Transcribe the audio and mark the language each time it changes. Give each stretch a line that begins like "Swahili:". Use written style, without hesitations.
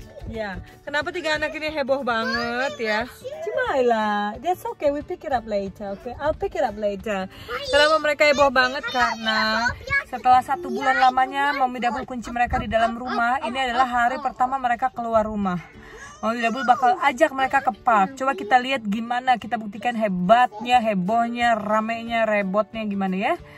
Indonesian: Ya, kenapa tiga anak ini heboh banget ya?
English: Jamaylah, that's okay, we pick it up later, okay? I'll pick it up later.
Indonesian: Kenapa mereka heboh banget? Karena setelah satu bulan lamanya Mami Dabul kunci mereka di dalam rumah, ini adalah hari pertama mereka keluar rumah. Mami Dabul bakal ajak mereka ke park. Coba kita lihat gimana, kita buktikan hebatnya, hebohnya, ramenya, rebotnya gimana ya?